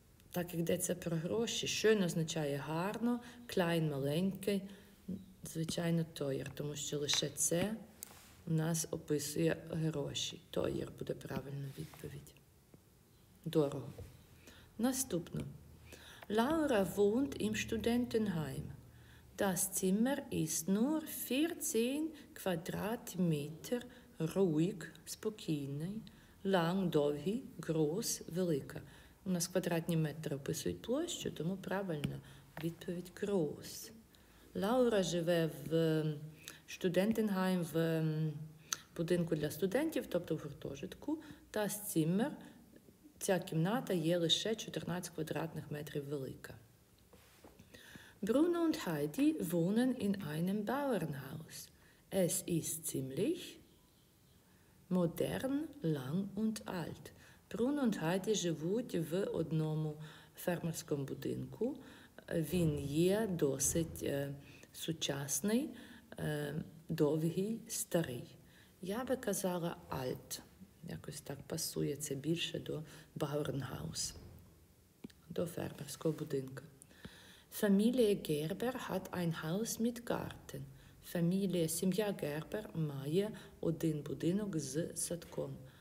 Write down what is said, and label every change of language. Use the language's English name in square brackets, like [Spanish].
[Ukrainian] Так йдеться про гроші. Schön означає гарно, klein – маленький, звичайно, teuer, тому що лише це у нас описує гроші. Teuer буде правильна відповідь. Дорого. Наступно. [German] Laura wohnt im Studentenheim. Das Zimmer ist nur 14 Quadratmeter, ruhig, спокійний, lang, довгий, groß, велика. [Ukrainian] У нас квадратні метри описують площу, тому правильно відповідь groß. Laura живе в Studentenheim, в будинку для студентів, тобто в гуртожитку. Das Zimmer, ця кімната є лише 14 квадратних метрів велика. [German] Bruno und Heidi wohnen in einem Bauernhaus. Es ist ziemlich modern, lang und alt. [Ukrainian] Bruno und Heidi живуть в одному фермерському будинку. Він є досить сучасний, довгий, старий. Я би казала alt. Якось так пасує це більше до Bauernhaus, до фермерського будинка. [German] Familie Gerber hat ein Haus mit Garten. [Ukrainian] Familie, сім'я Gerber має один будинок з садком.